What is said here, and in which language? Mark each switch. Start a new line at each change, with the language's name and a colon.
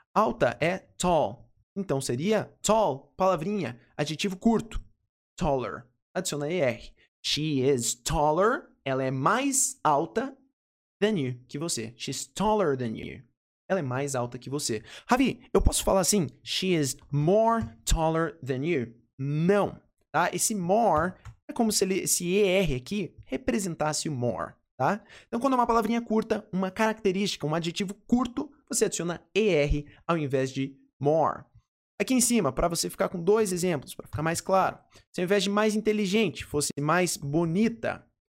Portuguese: Alta é tall. Então, seria tall, palavrinha, adjetivo curto. Taller. Adiciona ER.
English: She is taller.
Portuguese: Ela é mais alta than you, que você.
English: She's taller than you.
Portuguese: Ela é mais alta que você. Ravi, eu posso falar assim?
English: She is more taller than you.
Portuguese: Não. Tá? Esse more é como se ele, esse ER aqui representasse o more. Tá? Então, quando é uma palavrinha curta, uma característica, um adjetivo curto, você adiciona ER ao invés de more. Aqui em cima, para você ficar com dois exemplos, para ficar mais claro. Se ao invés de mais inteligente, fosse mais bonita.